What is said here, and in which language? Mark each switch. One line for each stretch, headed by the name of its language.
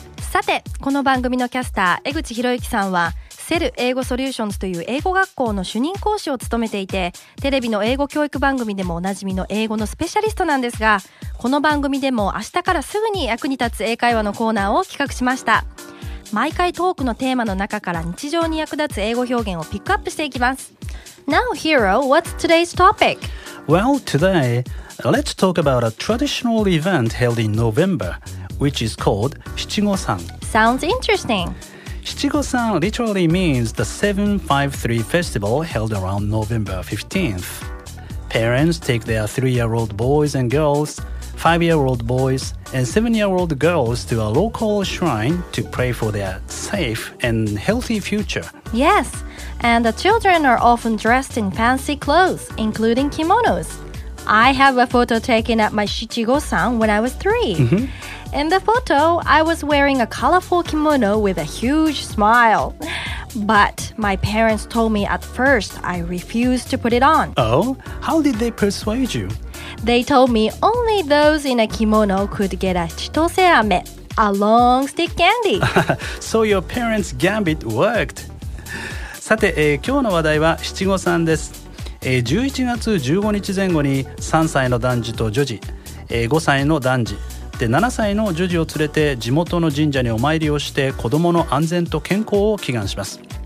Japanese: さて、この番組のキャスター江口宏之さんはセル英語ソリューションズという英語学校の主任講師を務めていて、テレビの英語教育番組でもおなじみの英語のスペシャリストなんですが、この番組でも明日からすぐに役に立つ英会話のコーナーを企画しました。毎回トークのテーマの中から日常に役立つ英語表現をピックアップしていきます。
English: Now Hero, what's today's topic? Well, today, let's talk about a traditional event held in November, which is called 七五三. Sounds interesting. 七五三 literally means the 753 festival held around November 15th. Parents take their 3-year-old boys and girls, 5-year-old boys, and 7-year-old girls to a local shrine to pray for their safe and healthy future. Yes, and the children are often dressed in fancy clothes, including kimonos. I have a photo taken at my 七五三 when I was 3. Mm-hmm. In the photo, I was wearing a colorful kimono with a huge smile. But my parents told me at first I refused to put it on. Oh, how did they persuade you? They told me only those in a kimono could get a chitose ame, a long stick candy. So your parents' gambit worked.
Japanese: さて、今日の話題は七五三です。11月15日前後に3歳の男児と女児、5歳の男児、で7歳の女児を連れて地元の神社にお参りをして子どもの安全と健康を祈願します。